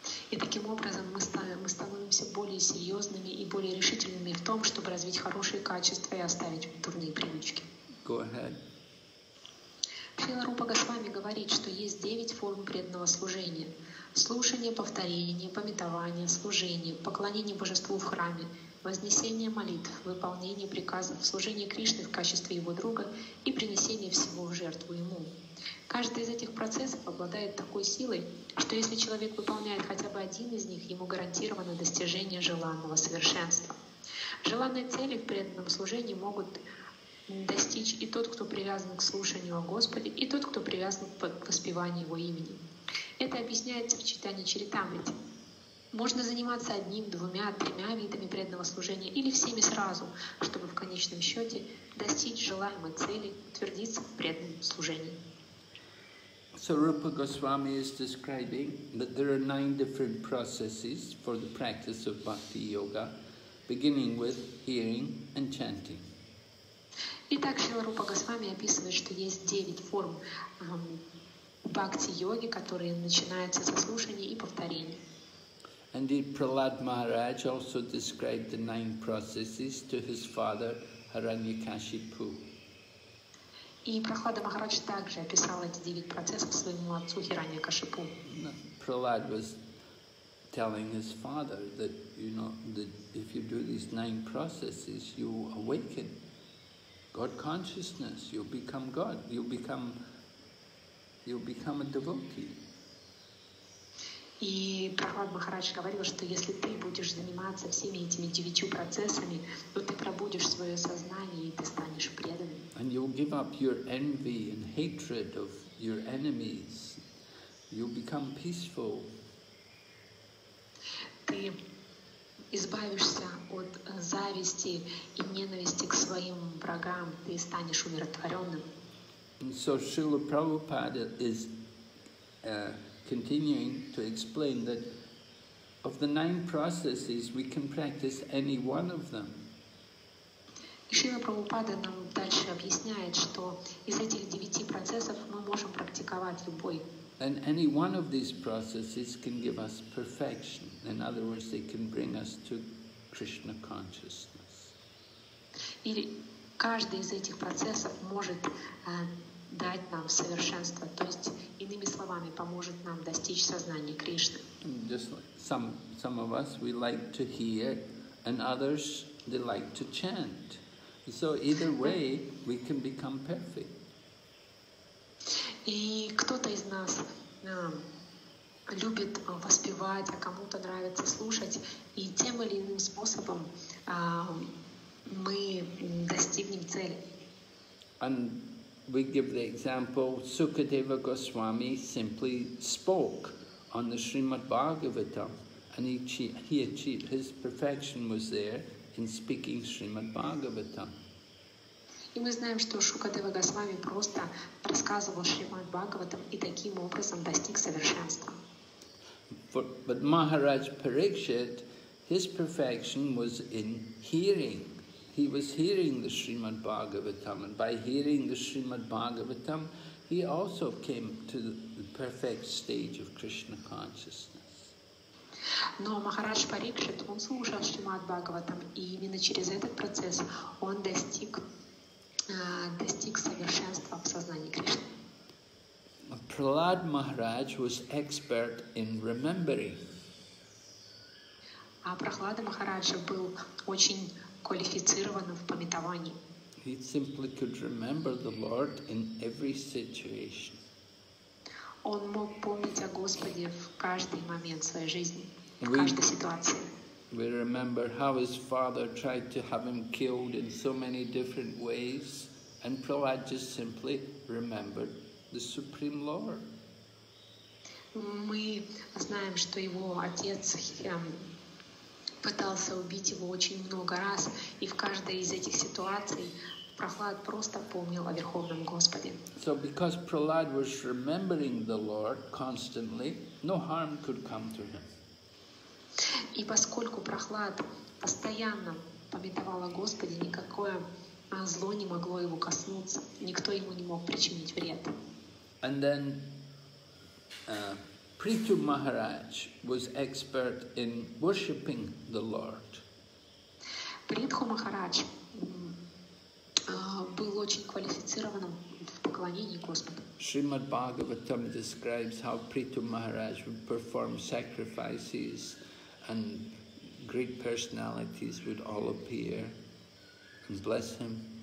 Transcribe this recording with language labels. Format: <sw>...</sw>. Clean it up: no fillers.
<ru>И таким образом мы становимся более серьезными и более решительными в том, чтобы развить хорошие качества и оставить дурные привычки.</ru> <en>Go ahead.</en> <ru>Шрила Рупа Госвами говорит, что есть 9 форм преданного служения. Слушание, повторение, пометование, служение, поклонение божеству в храме, вознесение молитв, выполнение приказов, служение Кришне в качестве его друга и принесение всего в жертву ему. Каждый из этих процессов обладает такой силой, что если человек выполняет хотя бы один из них, ему гарантировано достижение желанного совершенства. Желанные цели в преданном служении могут достичь и тот, кто привязан к слушанию о Господе, и тот, кто привязан к воспеванию Его имени. Это объясняется в читании Чаритамрити. Можно заниматься одним, двумя, тремя видами преданного служения или всеми сразу, чтобы в конечном счете достичь желаемой цели, утвердиться в преданном служении.</ru> <en>So Rupa Goswami is describing that there are 9 different processes for the practice of Bhakti Yoga, beginning with hearing and chanting.</en> <ru>Итак, Шрила Рупа Госвами описывает, что есть 9 форм бхакти-йоги, которые начинаются со слушания и повторения.</ru> <en>Indeed, Prahlad Maharaj also described the 9 processes to his father Haranyakashipu.</en> <ru>И Прахлада Махарадж также описал эти 9 процессов своему отцу Хираньякашипу.</ru> <en>Prahlad was telling his father that, you know, that if you do these 9 processes, you awaken. God consciousness, you become God, you become a devotee.</en> <ru>И Прабхупада Махарадж говорил, что если ты будешь заниматься всеми этими девятью процессами, то ты пробудишь свое сознание и ты станешь преданным.</ru> <en>And you'll give up your envy and hatred of your enemies. You'll become peaceful.</en> <ru>Ты избавишься от зависти и ненависти к своим врагам, ты станешь умиротворенным.</ru> <en>And so Srila Prabhupada is continuing to explain that of the nine processes, we can practice any one of them.</en> <ru>Шрила Прабхупада нам дальше объясняет, что из этих девяти процессов мы можем практиковать любой.</ru> <en>And any one of these processes can give us perfection. In other words, they can bring us to Krishna consciousness.</en> <ru>Или каждый из этих процессов может дать нам совершенство, то есть иными словами поможет нам достичь сознания Кришны.</ru> <en>Just like some of us we like to hear, and others they like to chant. So either way we can become perfect.</en> <ru>И кто-то из нас любит воспевать, а кому-то нравится слушать, и тем или иным способом мы достигнем цели.</ru> <en>We give the example, Sukadeva Goswami simply spoke on the Srimad Bhagavatam, and he achieved, his perfection was there in speaking Srimad Bhagavatam.</en> <ru>И мы знаем, что Шукадева Госвами просто рассказывал Шримад Бхагаватам и таким образом достиг совершенства.</ru> <en>But Maharaj Parikshit, his perfection was in hearing. He was hearing the Srimad Bhagavatam, and by hearing the Srimad Bhagavatam, he also came to the perfect stage of Krishna consciousness.</en> <ru>Но Махарадж Парикшит, он слушал Шримад Бхагаватам, и именно через этот процесс он достиг совершенства в сознании Кришны.</ru> <en>Prahlad Maharaj was expert in remembering.</en> <ru>А Прахлада Махараджа был очень квалифицированным в памятовании.</ru> <en>He simply could remember the Lord in every situation.</en> <ru>Он мог помнить о Господе в каждый момент своей жизни, в каждой ситуации.</ru> <en>We remember how his father tried to have him killed in so many different ways, and Prahlad just simply remembered the Supreme Lord.</en> <ru>Мы знаем, что его отец пытался убить его очень много раз, и в каждой из этих ситуаций Прахлад просто помнил о Верховном Господе.</ru> <en>So because Prahlad was remembering the Lord constantly, no harm could come to him.</en> <ru>И поскольку Прахлад постоянно памятовал о Господе, никакое зло не могло его коснуться, никто ему не мог причинить вред.</ru> <en>And then Prithu Maharaj was expert in worshipping the Lord.</en> <ru>Prithu Maharaj был очень квалифицированным в поклонении Господу.</ru> <en>Srimad Bhagavatam describes how Prithu Maharaj would perform sacrifices and great personalities would all appear and bless him.</en>